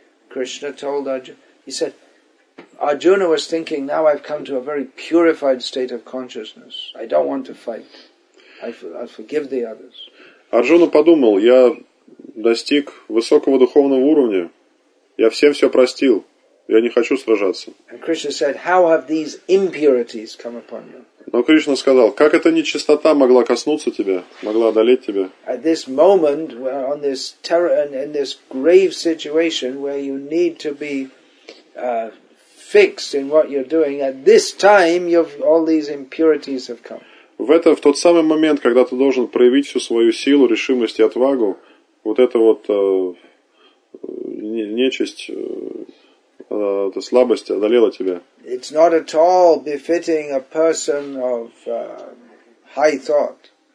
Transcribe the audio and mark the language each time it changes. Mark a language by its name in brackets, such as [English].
[English] Krishna told Arjuna, he said, Arjuna was thinking, now I've come to a very purified state of consciousness. I don't want to fight. I'll forgive the others. [Russian] Арджуна подумал, я достиг высокого духовного уровня, я всем все простил. Я не хочу сражаться. [English] And Krishna said, how have these impurities come upon you? [Russian] Но Кришна сказал, как эта нечистота могла коснуться тебя, могла одолеть тебя? [English] At this moment, on this terror, in this grave situation, where you need to be fixed in what you're doing, at this time, all these impurities have come. [Russian] В тот самый момент, когда ты должен проявить всю свою силу, решимость и отвагу, вот эта вот нечисть, эта слабость одолела тебя. [English] It's not at all befitting a person of high thought.